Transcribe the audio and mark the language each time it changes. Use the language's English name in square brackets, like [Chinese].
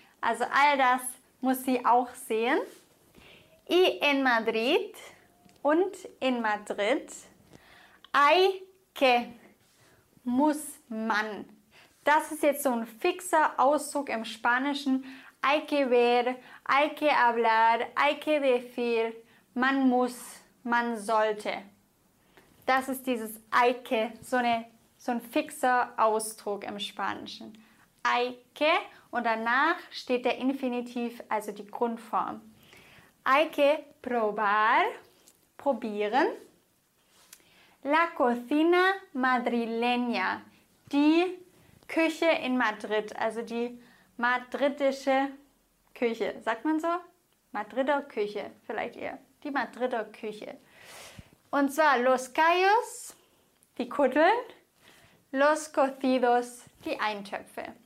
[German] Also all das muss sie auch sehen. [Spanish] Y en Madrid, [German] und in Madrid, [Spanish] hay que, [German] muss man. Das ist jetzt so ein fixer Ausdruck im Spanischen. [Spanish] Hay que ver, hay que hablar, hay que decir. [German] Man muss, man sollte. Das ist dieses hay que, so ein fixer Ausdruck im Spanischen. Hay que, und danach steht der Infinitiv, also die Grundform. [Spanish] Hay que probar, [German] probieren. [Spanish] La cocina madrileña, [German] die Küche in Madrid, also die madridische Küche, sagt man so? Madrider Küche, vielleicht eher. Die Madrider Küche. Und zwar [Spanish] los callos, [German] die Kutteln, [Spanish] los cocidos, [German] die Eintöpfe.